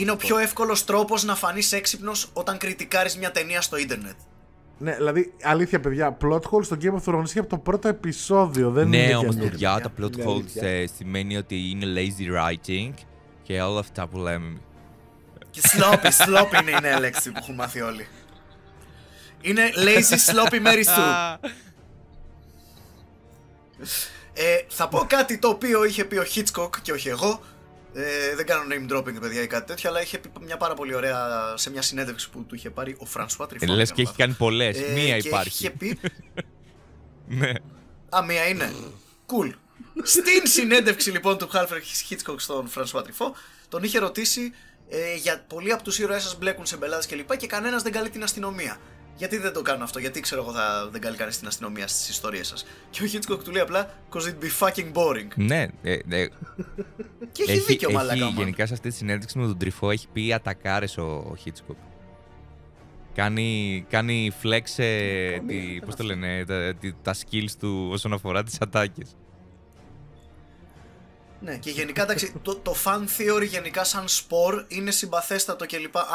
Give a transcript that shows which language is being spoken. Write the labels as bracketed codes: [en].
[el] Είναι ο πιο εύκολος τρόπος να φανείς έξυπνος όταν κριτικάρεις μια ταινία στο ίντερνετ. Ναι, δηλαδή αλήθεια, παιδιά, plot holes στο Game of Thrones είχε από το πρώτο επεισόδιο. Δεν ναι, είναι όμως, παιδιά, τα plot holes σημαίνει ότι είναι lazy writing και όλα αυτά που λέμε. Και sloppy είναι η νέα λέξη που έχουν μάθει όλοι. Είναι lazy sloppy Mary Sue. Θα πω κάτι το οποίο είχε πει ο Hitchcock και όχι εγώ. Δεν κάνω name dropping, παιδιά, ή κάτι τέτοιο, αλλά είχε πει μια πάρα πολύ ωραία σε μια συνέντευξη που του είχε πάρει ο François Truffaut. Λες και έχει κάνει πολλές. Μία υπάρχει. Και είχε πει. Ναι. Α, μία είναι. Cool. Στην συνέντευξη λοιπόν του Alfred Hitchcock στον Φρανσουά Τριφό, τον είχε ρωτήσει για πολλοί από τους ήρωές σας μπλέκουν σε μπελάδες κλπ. Και κανένας δεν καλεί την αστυνομία. Γιατί δεν το κάνω αυτό, γιατί ξέρω εγώ θα δεν καλεί κανείς την αστυνομία στις ιστορίες σας. Και ο Hitchcock του λέει απλά, [en] cause it'd be fucking boring. [el] Ναι, ναι. Και έχει δίκιο, μαλακά. Έχει, γενικά σε αυτή τη συνέντευξη με τον Τριφό έχει πει ατακάρες ο Hitchcock. Κάνει flex, πώς το λένε, τα skills του όσον αφορά τις ατάκες. Ναι, και γενικά εντάξει, το fan theory γενικά σαν σπορ είναι συμπαθέστατο και λοιπά.